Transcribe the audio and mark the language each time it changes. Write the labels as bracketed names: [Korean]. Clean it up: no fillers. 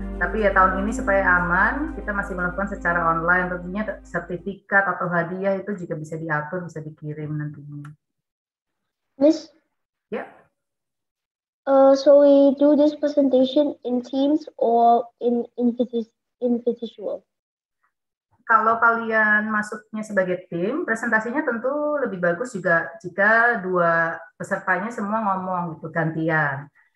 [Indonesian] Tapi ya tahun ini supaya aman, kita masih melakukan secara online. Tentunya sertifikat atau hadiah itu juga bisa diatur, bisa dikirim nantinya. [English] Miss? [Indonesian] Ya? [English] So we do this presentation in Teams or in individual? [Indonesian] kalau kalian masuknya sebagai tim, presentasinya tentu lebih bagus juga jika dua pesertanya semua ngomong gitu gantian.